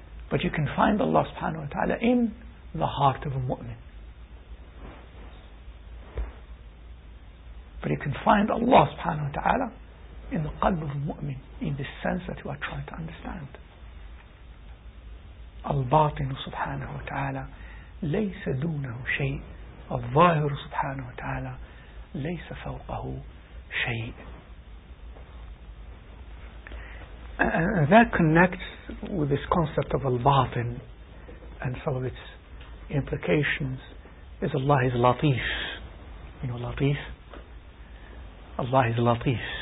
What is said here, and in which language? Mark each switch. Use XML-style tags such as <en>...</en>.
<en>But you can find Allah subhanahu wa ta'ala in the heart of a mu'min. But you can find Allah subhanahu wa ta'ala in the qalb of a mu'min, in the sense that you are trying to understand.</en> <ar>الباطن سبحانه وتعالى ليس دونه شيء. الظاهر سبحانه وتعالى ليس فوقه شيء.</ar> <en>That connects with this concept of الباطن and some of its implications is Allah is Latif. You know Latif? Allah is Latif.</en>